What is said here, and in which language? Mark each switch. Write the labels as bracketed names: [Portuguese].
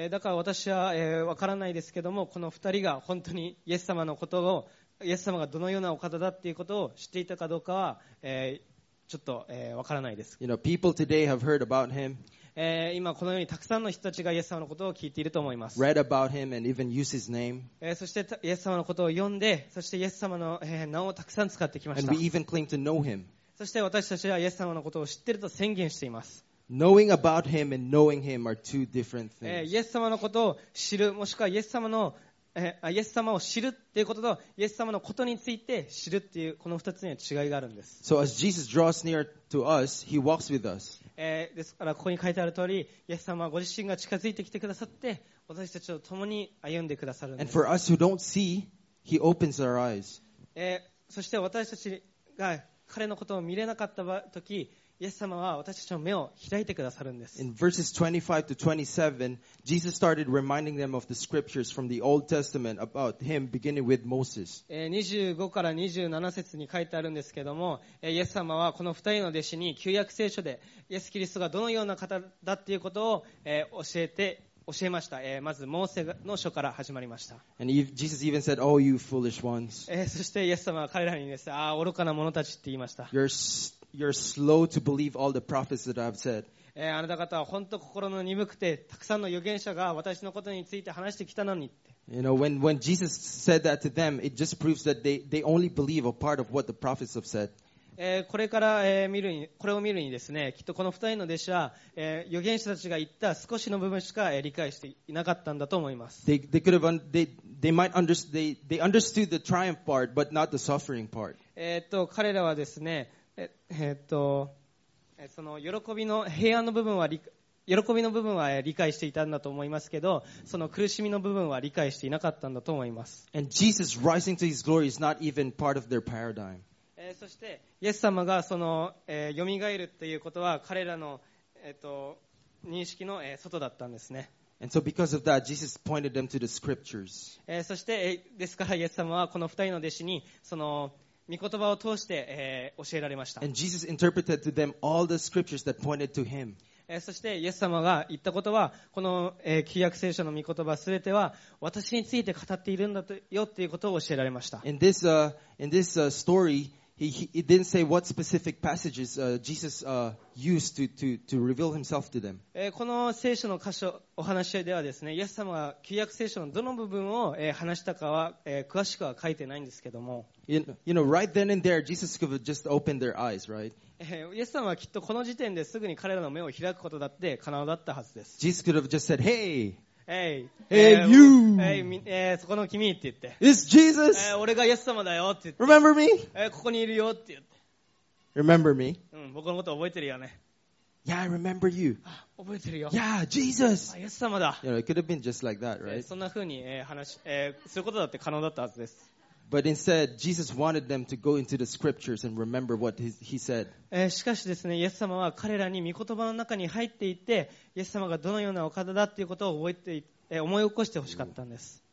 [Japanese] だから私は分からないですけども、この二人が本当にイエス様のことを、イエス様がどのようなお方だっていうことを知っていたかどうかは、ちょっと分からないです。 [English] You know, people today have heard about him. [Japanese] 今このようにたくさんの人たちがイエス様のことを聞いていると思います。 [English] Read about him and even use his name. [Japanese] そしてイエス様のことを読んで、そしてイエス様の名をたくさん使ってきました。 [English] And we even claim to know him. [Japanese] そして私たちはイエス様のことを知っていると宣言しています。 [English] Knowing about him and knowing him are two different things. [Japanese] イエス様のことを知る、もしくはイエス様を知るっていうこととイエス様のことについて知るっていうこの二つには違いがあるんです。 [English] So as Jesus draws near to us, he walks with us. [Japanese] ですからここに書いてある通り、イエス様はご自身が近づいてきてくださって私たちと共に歩んでくださるんです。 [English] And for us who don't see, he opens our eyes. [Japanese] そして私たちが彼のことを見れなかった時、イエス様は私たちの目を開いてくださるんです。 [English] In verses 25 to 27, Jesus started reminding them of the scriptures from the Old Testament about him beginning with Moses. [Japanese] 25から27節に書いてあるんですけども、イエス様はこの二人の弟子に旧約聖書でイエスキリストがどのような方だっていうことを教えました。まずモーセの書から始まりました。 [English] And Jesus even said, "Oh, you foolish ones." [Japanese] そしてイエス様は彼らにですね、愚かな者たちって言いました。 [English] You're slow to believe all the prophets that I've said. [Japanese] あなた方は本当心の鈍くて、たくさんの預言者が私のことについて話してきたのにって。 [English] You know, when Jesus said that to them, it just proves that they only believe a part of what the prophets have said. [Japanese] これを見るにですね、きっとこの二人の弟子は、預言者たちが言った少しの部分しか理解していなかったんだと思います。 [English] They understood the triumph part, but not the suffering part. [Japanese] 彼らはですね、その喜びの平安の部分は喜びの部分は理解していたんだと思いますけど、その苦しみの部分は理解していなかったんだと思います。 [English] And Jesus rising to his glory is not even part of their paradigm. [Japanese] そして、イエス様がその、蘇るということは彼らの、認識の、外だったんですね。 [English] And so because of that, Jesus pointed them to the scriptures. [Japanese] そして、ですからイエス様はこの二人の弟子に、その、御言葉を通して、教えられました。 [English] And Jesus interpreted to them all the scriptures that pointed to him. [Japanese] そしてイエス様が言ったことはこの、旧約聖書の御言葉すべては私について語っているんだよということを教えられました。 [English] In this story he didn't say what specific passages Jesus used to reveal himself to them、 [Japanese] この聖書の箇所お話し合いではですね、イエス様が旧約聖書のどの部分を、話したかは、詳しくは書いてないんですけども、 [English] you know right then and there Jesus could have just opened their eyes, right [Japanese] イエス様はきっとこの時点ですぐに彼らの目を開くことだって可能だったはずです。 [English] Jesus could have just said, Hey! Hey! Hey, you! [Japanese] Hey, そこの君って言って、 [English] It's Jesus! [Japanese] 俺がイエス様だよって言って、 [English] Remember me? [Japanese] ここにいるよって言って、 [English] Remember me? [Japanese] 僕のこと覚えてるよね。 [English] Yeah, I remember you. [Japanese] 覚えてるよ。 [English] Yeah, Jesus! [Japanese] イエス様だ。 [English] You know, it could have been just like that, right? [Japanese] そんな風に話することだって可能だったはずです。 [English] But instead, Jesus wanted them to go into the scriptures and remember what he said. [Japanese] しかしですね、イエス様は彼らに御言葉の中に入っていって、イエス様がどのようなお方だということを覚えて、思い起こしてほしかったんです。